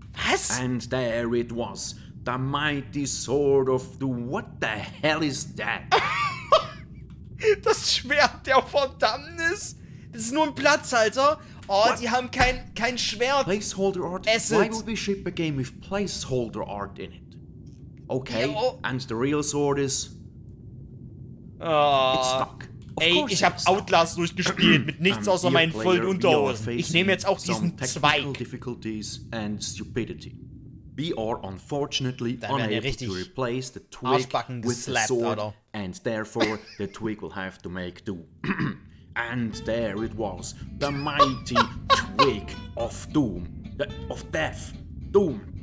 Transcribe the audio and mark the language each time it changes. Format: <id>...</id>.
<de>Was?</de> <en>And there it was. The mighty sword of the... What the hell is that?</en> <de>Das Schwert der Verdammnis? Das ist nur ein Platzhalter?</de> <en>Oh, what?</en> <de>Die haben kein Schwert.</de> <en>Placeholder art? Acid. Why would we ship a game with placeholder art in it? Okay,</en> <de>ja, oh.</de> <en>And the real sword is... It's stuck.</en> <de>Of ey, ich hab Outlast durchgespielt mit nichts außer meinen vollen Unterhosen. Ich nehme jetzt auch diesen</de> <en>technical</en> <de>Zweig.</de> <en>And stupidity. We are unfortunately unable to replace the twig with the sword,</en> <de>oder?</de> <en>And therefore the twig will have to make do. And there it was, the mighty twig of doom, of death, doom.</en>